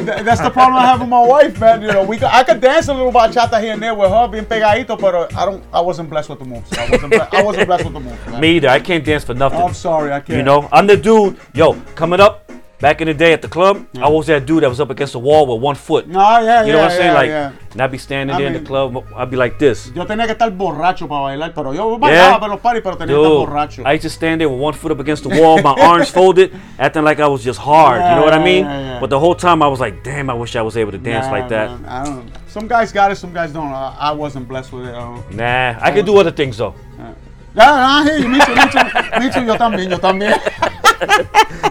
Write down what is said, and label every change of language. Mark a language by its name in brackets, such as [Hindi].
[English] You know, that's the problem I have with my wife, man. You know, I could dance a little bachata here and there with her being pegadito, but I wasn't blessed with the moves, man. Me either. I can't dance for nothing. I'm sorry, I can't. You know, I'm the dude. Yo, coming up, back in the day at the club, I was that dude that was up against the wall with one foot. You know what I'm saying? Like, yeah. And I'd be standing there in the club, I'd be like this. [Spanish] Yo tenía que estar borracho para bailar, pero yo bailaba para los parties, pero tenía que estar borracho. [English] I used to stand there with one foot up against the wall, my arms folded, acting like I was just hard. Yeah, you know what I mean? Yeah. But the whole time I was like, damn, I wish I was able to dance like that. Man. I don't know. Some guys got it, some guys don't. I wasn't blessed with it. I could do other things though. Yeah, I hear you. Me too. [Spanish] Yo también.